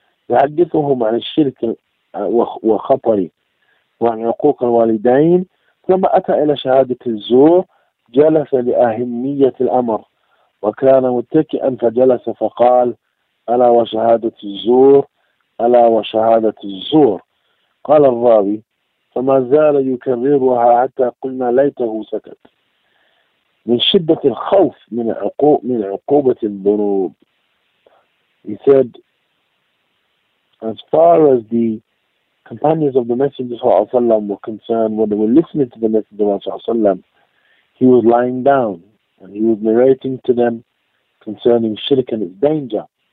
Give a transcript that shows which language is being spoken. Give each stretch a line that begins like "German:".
Arabic: Yuhadithuhum an ash-shirk wa khatari wa an uquq al-walidain thumma ata ila shahadati az-zur جلس لأهمية الأمر وكان متكئا فجلس فقال ألا وشهادة الزور ألا وشهادة الزور. قال الراوي فما زال يكررها حتى قلنا ليته سكت من شدة الخوف من عقوبة الذنوب.
English: He said, as far as the companions of the Messenger صلى الله عليه وسلم were concerned, when they were listening to the Messenger صلى الله عليه وسلم, he was lying down and he was narrating to them concerning shirk and its danger.